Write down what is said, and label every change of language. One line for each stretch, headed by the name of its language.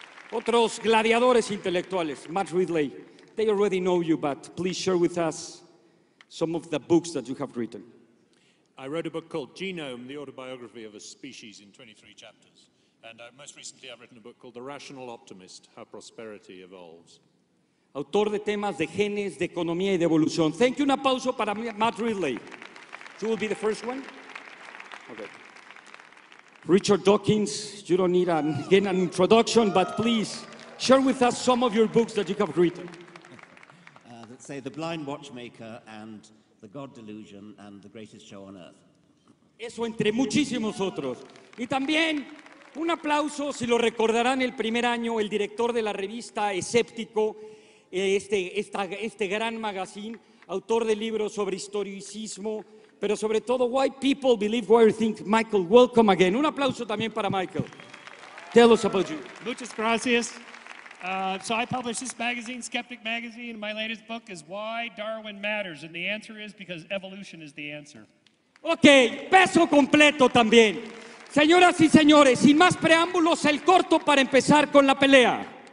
Spanish: Otros gladiadores intelectuales, Matt Ridley.
English: They already know you, but please share with us some of the books that you have written. I wrote a book called Genome, the Autobiography of a Species in 23 chapters. And most recently I've written a book called The Rational Optimist, How Prosperity Evolves.
Spanish: Autor de temas de genes, de economía y de evolución.
English: Thank you,
Spanish: un aplauso para
English: Matt Ridley. You will be the first one. Okay. Richard Dawkins, you don't need an introduction, but please share with us some of your books that you have written. Let's say The Blind Watchmaker and The God Delusion and The Greatest Show on Earth.
Spanish: Eso entre muchísimos otros. Y también un aplauso, si lo recordarán, el primer año, el director de la revista Escéptico, este gran magazine, autor de libros sobre historicismo, pero sobre todo, Why People Believe What You Think.
English: Michael, welcome again.
Spanish: Un aplauso también para
English: Michael. Tell us about you.
Spanish: Muchas gracias.
English: So I published this magazine, Skeptic Magazine. My latest book is Why Darwin Matters. And the answer is because evolution is the answer.
Spanish: Okay, peso completo también. Señoras y señores, sin más preámbulos, el corto para empezar con la pelea.